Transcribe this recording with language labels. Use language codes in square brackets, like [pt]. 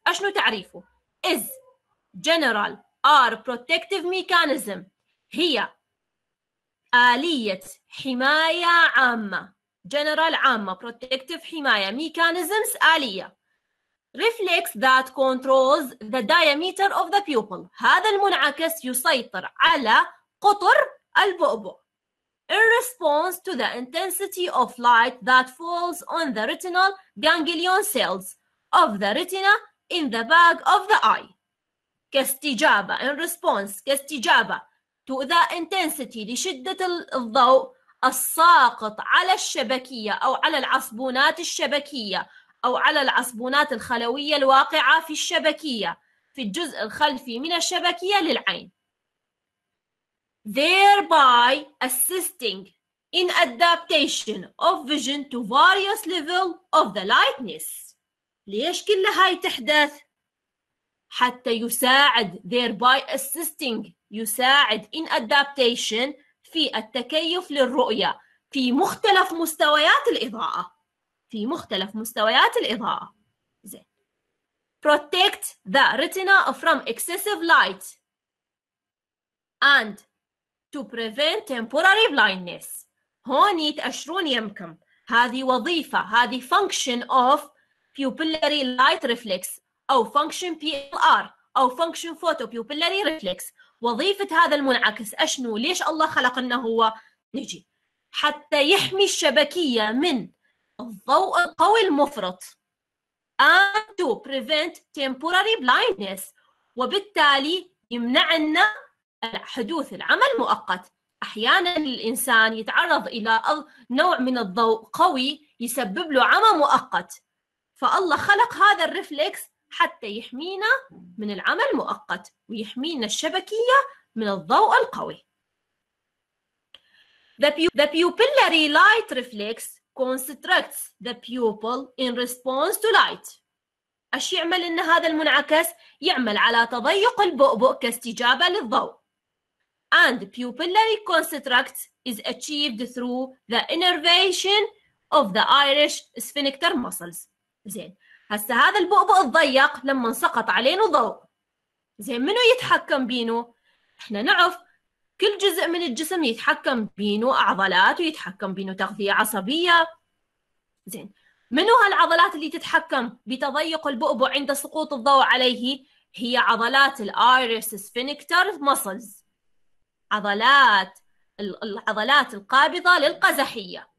[ar] أشنو تعريفه؟ [en] Is general or protective mechanism. [ar] هي آلية حماية عامة، general عامة، protective حماية، mechanisms آلية. [en] Reflex that controls the diameter of the pupil. [ar] هذا المنعكس يسيطر على قطر البؤبؤ. [en] In response to the intensity of light that falls on the retinal ganglion cells of the retina in the back of the eye. كاستجابة. In response. كاستجابة. To the intensity. [ar] لشدة الضوء الساقط على الشبكية أو على العصبونات الشبكية أو على العصبونات الخلوية الواقعة في الشبكية، في الجزء الخلفي من الشبكية للعين. [en] Thereby assisting in adaptation of vision to various level of the lightness. [ar] ليش كل هاي تحدث؟ حتى يساعد. [en] Thereby assisting. يساعد in adaptation. [ar] في التكيف للرؤية. في مختلف مستويات الإضاءة. في مختلف مستويات الإضاءة. زين. [en] Protect the retina from excessive light. And to prevent temporary blindness. [ar] هون يتأشرون يمكم. هذه وظيفة، هذه function of pupillary light reflex أو function PLR أو function photopupillary reflex. وظيفة هذا المنعكس أشنو؟ ليش الله خلقنا هو؟ نجي حتى يحمي الشبكية من الضوء القوي المفرط [en] and to prevent temporary blindness، [ar] وبالتالي يمنعنا حدوث العمى المؤقت. أحياناً الإنسان يتعرض إلى نوع من الضوء قوي يسبب له عمى مؤقت، فالله خلق هذا الرفليكس حتى يحمينا من العمى المؤقت ويحمينا الشبكية من الضوء القوي. [en] The pupillary light reflex constructs the pupil in response to light. [ar] أش يعمل إن هذا المنعكس؟ يعمل على تضيق البؤبؤ كاستجابة للضوء. [en] And pupillary construct is achieved through the innervation of the Irish sphincter muscles. [ar] زين، هسا هذا البؤبؤ الضيق لما سقط عليه ضوء، زين منو يتحكم بينه؟ احنا نعرف كل جزء من الجسم يتحكم بينه عضلات ويتحكم بينه تغذية عصبية. زين، منو هالعضلات اللي تتحكم بتضيق البؤبؤ عند سقوط الضوء عليه؟ هي عضلات الايريس سفينكتر ماسلز، العضلات القابضة للقزحية.